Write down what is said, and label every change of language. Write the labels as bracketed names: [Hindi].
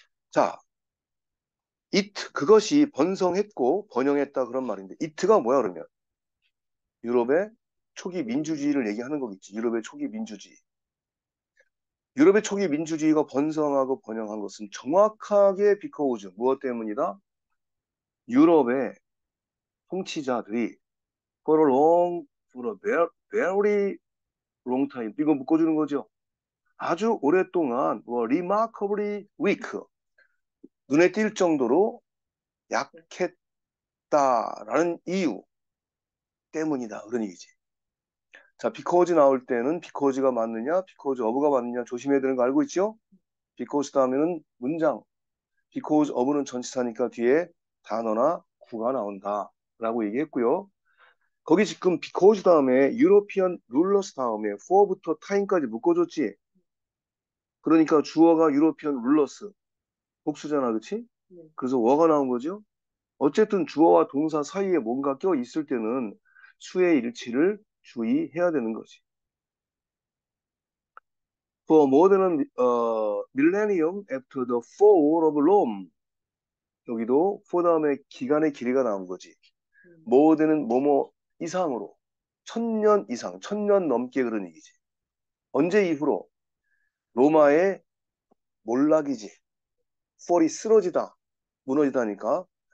[Korean] 자, it, 그것이 번성했고 번영했다 그런 말인데, it가 뭐야 그러면? 유럽의 초기 민주주의를 얘기하는 거겠지. 유럽의 초기 민주주의. 유럽의 초기 민주주의가 번성하고 번영한 것은 정확하게 because 무엇 때문이다? 유럽의 통치자들이 [English] for a long, for a very, very long time [Korean] 이거 묶어주는 거죠. 아주 오랫동안 [English] well, remarkably weak [Korean] 눈에 띌 정도로 약했다라는 이유 때문이다 그런 얘기지. 자, because 나올 때는 because가 맞느냐, because of가 맞느냐 조심해야 되는 거 알고 있죠? because 다음에는 문장. because of는 전치사니까 뒤에 단어나 구가 나온다라고 얘기했고요. 거기 지금 because 다음에 European rulers 다음에 for부터 time까지 묶어줬지. 그러니까 주어가 European rulers. 복수잖아, 그렇지? 그래서 were가 나온 거죠. 어쨌든 주어와 동사 사이에 뭔가 껴 있을 때는 수의 일치를 주의해야 되는 거지. [English] For more than millennium after the fall of Rome. [Korean] 여기도 for 다음에 기간의 길이가 나온 거지. more than은 뭐뭐 이상으로. 천년 이상, 천년 넘게 그런 얘기지. 언제 이후로? 로마의 몰락이지. for이 쓰러지다, 무너지다니까.